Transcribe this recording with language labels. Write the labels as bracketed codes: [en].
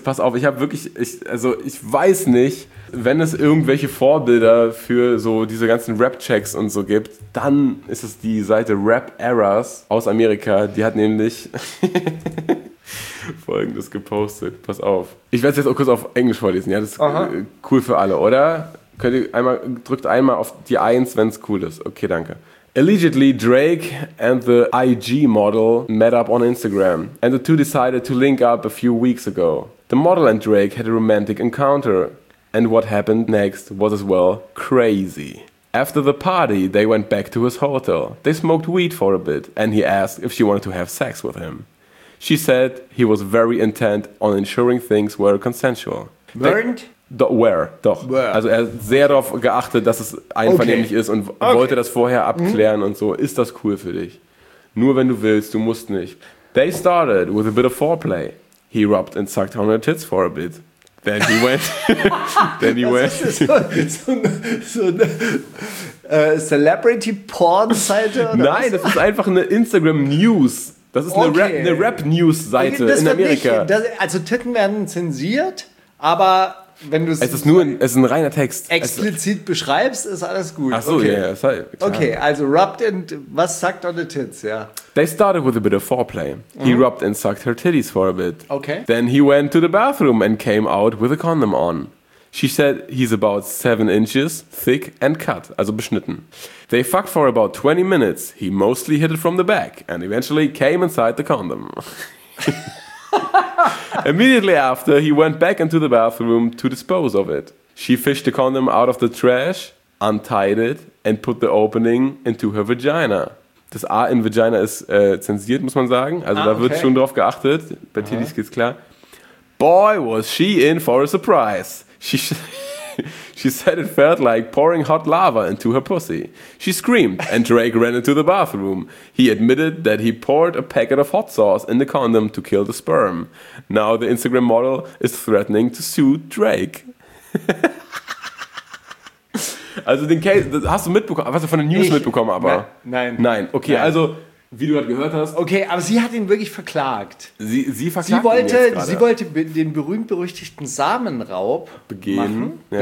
[de] Pass auf, ich habe wirklich, ich weiß nicht, wenn es irgendwelche Vorbilder für so diese ganzen Rap-Checks und so gibt, dann ist es die Seite Rap Errors aus Amerika. Die hat nämlich Folgendes gepostet. Pass auf. Ich werde es jetzt auch kurz auf Englisch vorlesen. Ja, das ist cool für alle, oder? Könnt ihr einmal, drückt einmal auf die 1, wenn es cool ist. Okay, danke. [en] Allegedly, Drake and the IG model met up on Instagram and the two decided to link up a few weeks ago. The model and Drake had a romantic encounter. And what happened next was as well crazy. After the party, they went back to his hotel. They smoked weed for a bit, and he asked if she wanted to have sex with him. She said he was very intent on ensuring things were consensual. Weren't? [de] Doch. [en] Where? [de] Also er hat sehr darauf geachtet, dass es einvernehmlich ist und wollte das vorher abklären und so. Ist das cool für dich? Nur wenn du willst, du musst nicht. [en] They started with a bit of foreplay. He rubbed and sucked on her tits for a bit. Then he went. Then he [de] das [en] went. [de] So eine Celebrity Porn Seite? Nein, was? Das ist einfach eine Instagram News. Das ist eine Rap News Seite in Amerika. Nicht, das, also Titten werden zensiert, aber wenn du es ist nur ein, es ist ein reiner Text. Explizit es, beschreibst, ist alles gut. Ach so, [en] okay. Yeah, sorry, okay, also rubbed and was sucked on the tits, ja. Yeah. They started with a bit of foreplay. He rubbed and sucked her titties for a bit. Okay. Then he went to the bathroom and came out with a condom on. She said he's about 7 inches thick and cut, [de] also beschnitten. [en] They fucked for about 20 minutes. He mostly hit it from the back and eventually came inside the condom. Immediately after, he went back into the bathroom to dispose of it. She fished the condom out of the trash, untied it and put the opening into her vagina. [de] Das A in Vagina ist zensiert, muss man sagen. Also da wird schon drauf geachtet. Bei Titties geht's klar. [en] Boy, was she in for a surprise. She said it felt like pouring hot lava into her pussy. She screamed and Drake ran into the bathroom. He admitted that he poured a packet of hot sauce in the condom to kill the sperm. Now the Instagram model is threatening to sue Drake. [de] Also den Case, das hast du mitbekommen, hast du von den News mitbekommen, aber? Nein. Okay, nein. Also, wie du gerade gehört hast. Okay, aber sie hat ihn wirklich verklagt. Sie verklagt sie wollte, ihn jetzt gerade. Sie wollte den berühmt-berüchtigten Samenraub begehen.